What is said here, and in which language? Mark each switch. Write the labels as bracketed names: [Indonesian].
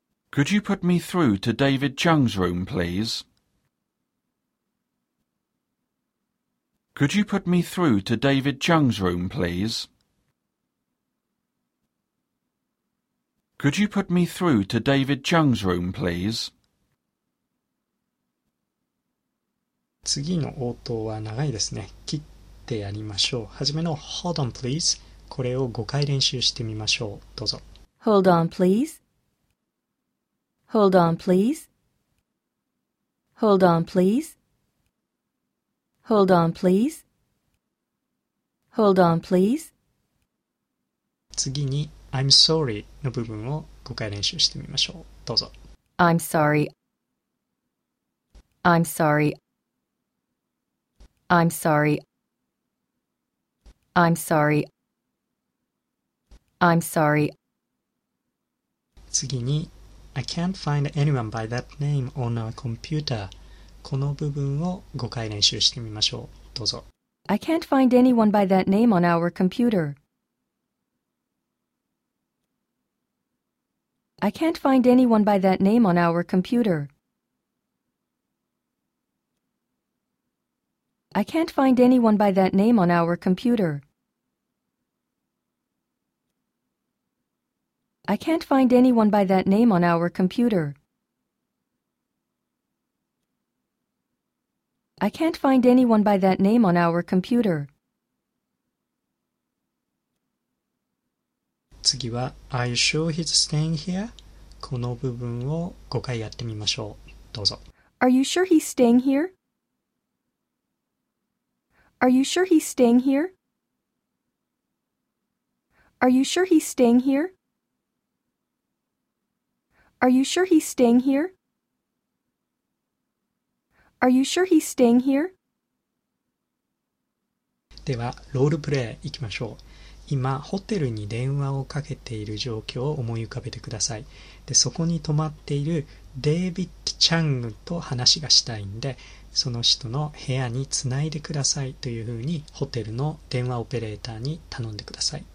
[English] Could you put me through to David Chang's room, please? Could you put me through to David Chang's room, please? Could you put me through to David Chang's room, please? [Japanese] 次の応答は長いですね。切ってやりましょう。はじめの [English] Hold on, please. [Japanese] これを5回練習してみましょう。どうぞ。 [English] Hold on, please. Hold on, please. Hold on, please. Hold on, please. Hold on, please. [Japanese] 次に [English] I'm sorry [Japanese] の部分を5回練習してみましょう。どうぞ。 [English] I'm sorry. I'm sorry. I'm sorry. I'm sorry. I'm sorry. [Japanese] 次に [English] I can't find anyone by that name on our computer. [Japanese] この部分を5回練習してみましょう。どうぞ。 [English] I can't find anyone by that name on our computer. I can't find anyone by that name on our computer. I can't find anyone by that name on our computer. I can't find anyone by that name on our computer. I can't find anyone by that name on our computer. [Japanese] 次は、 [English] Are you sure he's staying here? [Japanese] この部分を5回やってみましょう。どうぞ。 [English] Are you sure he's staying here? Are you sure he's staying here? Are you sure he's staying here? Are you sure he's staying here? Are you sure he's staying here? [Japanese] では、ロールプレイ行きましょう。今、ホテルに電話をかけている状況を思い浮かべてください。で、そこに泊まっているデイビッド・チャングと話がしたいんで、その人の部屋につないでくださいというふうにホテルの電話オペレーターに頼んでください。